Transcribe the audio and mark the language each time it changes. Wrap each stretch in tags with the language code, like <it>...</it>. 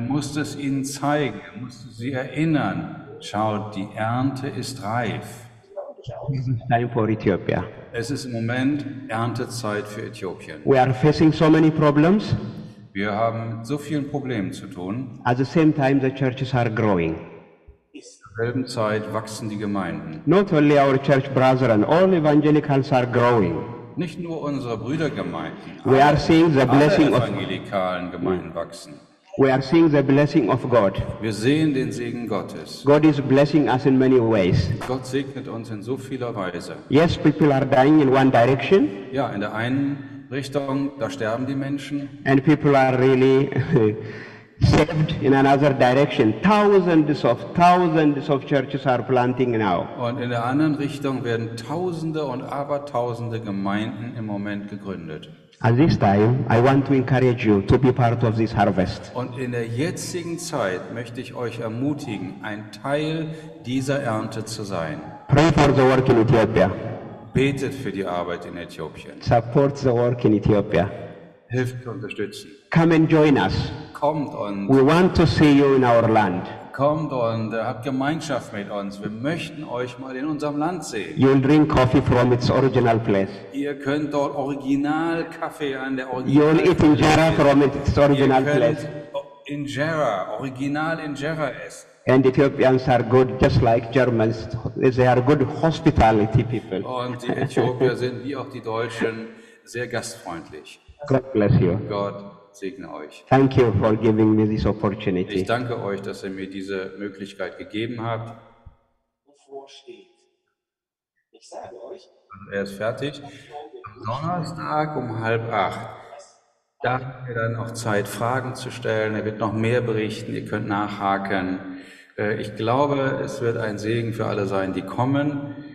<de>musste es ihnen zeigen, er musste sie erinnern. Schaut, die Ernte ist reif.</de> <en>Time for Ethiopia.</en> <de>Es ist im Moment Erntezeit für Äthiopien.</de> <en>We are facing so many problems.</en> <de>Wir haben mit so vielen Problemen zu tun.</de> <en>At the same time, the churches are growing.</en> <de>Zur selben Zeit wachsen die Gemeinden.</de> <en>Not only our church brethren, all evangelicals are growing.</en> <de>Nicht nur unsere Brüdergemeinden.</de> <en>We are seeing the blessing</en> <de>alle evangelikalen Gemeinden wachsen.</de> <en>We are seeing the blessing of God.</en> <de>Wir sehen den Segen Gottes.</de> <en>God is blessing us in many ways.</en> <de>Gott segnet uns in so vieler Weise.</de> <en>Yes, people are dying in one direction.</en> <de>Ja, in der einen Richtung, da sterben die Menschen.</de> <en>And people are really saved in another direction. Thousands of churches are planting now.</en> <de>Und in der anderen Richtung werden Tausende und Abertausende Gemeinden im Moment gegründet.</de> <en>At this time, I want to encourage you to be part of this harvest.</en> <de>Und in der jetzigen Zeit möchte ich euch ermutigen, ein Teil dieser Ernte zu sein.</de> <en>Pray for the work in Ethiopia.</en> <de>Betet für die Arbeit in Äthiopien.</de> <en>Support the work in Ethiopia.</en> <de>Hilft zu unterstützen.</de> <en>Come and join us.</en> <de>Kommt und</de> <en>we want to see you in our land.</en> <de>Kommt und habt Gemeinschaft mit uns. Wir möchten euch mal in unserem Land sehen.</de> <en>You will drink coffee from its original place.</en> <de>Ihr könnt dort original Kaffee an der original.</de> <en>You will eat in Jera from its original place.</en> <de>Ihr könnt in Jera, original in Jera essen.</de> <en>And Ethiopians are good, just like Germans. They are good hospitality people.</en> <de>Und die Äthiopier sind wie auch die Deutschen sehr gastfreundlich.</de> <en>God bless you.</en> <de>Gott segne euch.</de> <en>Thank you for giving me this opportunity.</en> <de>Ich danke euch, dass ihr mir diese Möglichkeit gegeben habt. Vorsteht. Ich sage euch. Er ist fertig. Am Donnerstag um 7:30. Da habt ihr dann noch Zeit, Fragen zu stellen. Er wird noch mehr berichten. Ihr könnt nachhaken. Ich glaube, es wird ein Segen für alle sein, die kommen.</de>